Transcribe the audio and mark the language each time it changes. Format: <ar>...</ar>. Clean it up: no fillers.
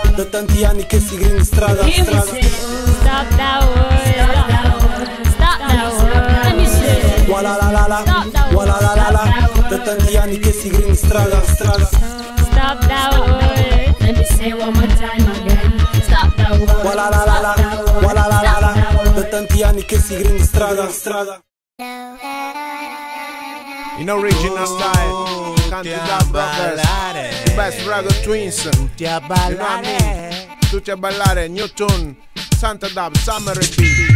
<it>Tanti anni che si grinda strada, strada.</it> <en>Stop that war, stop that war, let me see. Walla la la la, walla la la la.</en> <it>Da tanti anni che si grinda strada, strada.</it> <en>Stop that war, let me say one more time again. Stop that war, walla la la la, walla la la la.</en> <it>Da tanti anni che si grinda strada, strada.</it> <en>In original style, Candida Brothers, Best Rago Twins,</en> <it>tutti a ballare, tutti a ballare, New Tune, Santa Dab, Summer EP.</it>